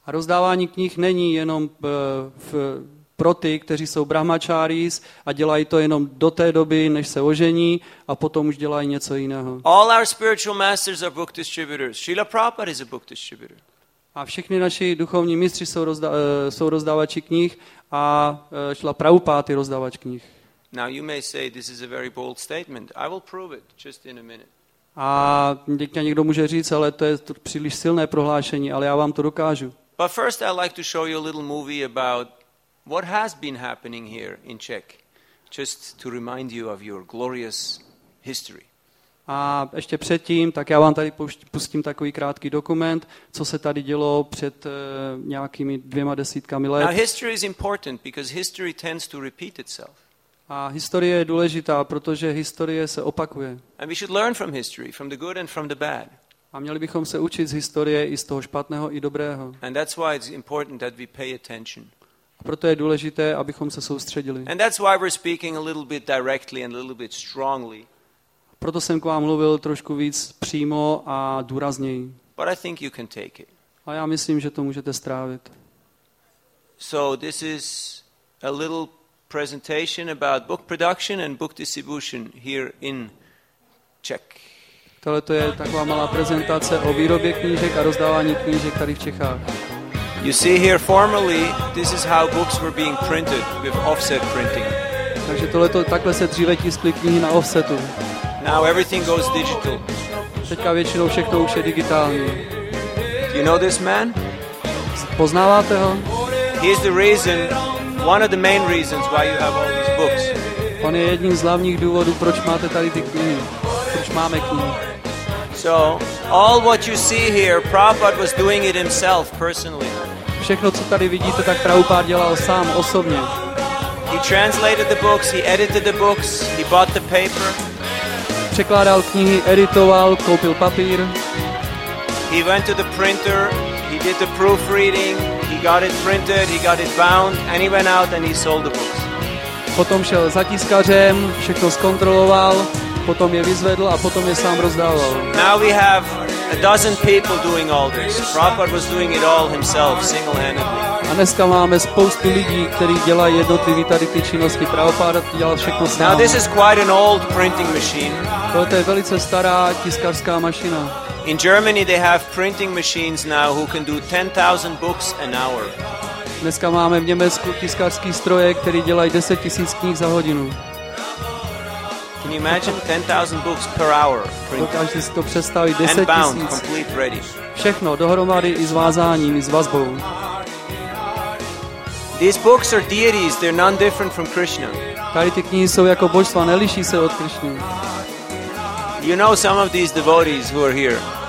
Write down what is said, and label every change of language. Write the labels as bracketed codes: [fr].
[cs] A rozdávání knih není jenom v pro ty, kteří jsou brahmacharis a dělají to jenom do té doby, než se ožení a potom už dělají něco jiného. [en] All our spiritual masters are book distributors. Srila Prabhupada is a book distributor. [cs] A všichni naši duchovní mistři jsou rozdávači knih a Srila Prabhupada je rozdávač knih. [en] Now you may say this is a very bold statement. I will prove it just in a minute. [cs] A někdo může říct, ale to je příliš silné prohlášení, ale já vám to dokážu. [en] But first I'd like to show you a little movie about what has been happening here in Czech, just to remind you of your glorious history. [cs] A ještě předtím, tak já vám tady pustím takový krátký dokument, co se tady dělo před nějakými dvěma desítkami let. [en] Now history is important because history tends to repeat itself. [cs] A historie je důležitá, protože historie se opakuje. [en] And we should learn from history, from the good and from the bad. [cs] A měli bychom se učit z historie i z toho špatného i dobrého. [en] And that's why it's important that we pay attention. [cs] Proto je důležité, abychom se soustředili. [en] And that's why we're speaking a little bit directly and a little bit strongly. [cs] Proto jsem k vám mluvil trošku víc přímo a důrazněji. [en] But I think you can take it. [cs] A já myslím, že to můžete strávit. [en] So this is a little presentation about book production and book distribution here in Czech. [cs] Tohle to je taková malá prezentace o výrobě knížek a rozdávání knížek tady v Čechách. [en] You see here formerly this is how books were being printed with offset printing. [cs] Takže tohle to takhle se dříve tiskly knihy na offsetu. [en] Now everything goes digital. [cs] Teďka většinou všechno už je digitální. [en] Do you know this man? [cs] Poznáváte ho? [en] He's the reason, one of the main reasons why you have all these books. [cs] On je jedním z hlavních důvodů, proč máte tady ty knihy. Proč máme knihy? [en] So all what you see here, Prabhupada was doing it himself personally. [cs] Všechno, co tady vidíte, tak Prabhupada dělal sám osobně. [en] He translated the books, he edited the books, he bought the paper. [cs] Překládal knihy, editoval, koupil papír. [en] He went to the printer, he did the proofreading, he got it printed, he got it bound, and he went out and he sold the books. [cs] Potom šel za tiskařem, všechno zkontroloval, potom je vyzvedl a potom je sám rozdával. [en] Now we have a dozen people doing all this. Prabhupada was doing it all himself, single-handedly. [cs] A dneska máme spoustu lidí, kteří dělají jednotlivý tady ty činnosti. Prabhupada dělal všechno sám. [en] Now this is quite an old printing machine. [cs] Tohle je velice stará tiskařská mašina. [en] In Germany they have printing machines now who can do 10,000 books an hour. [cs] Dneska máme v Německu tiskařský stroje, který dělají 10 000 knih za hodinu. [en] Can you imagine 10,000 books per hour printed? [cs] Dokážete si to představit, 10 tisíc. Všechno dohromady i s vázáním, i s vazbou. [en] These books are deities, they're none different from Krishna. [cs] Tady ty knihy jsou jako božstva, neliší se od Krishny. [en] You know some of these devotees who are here.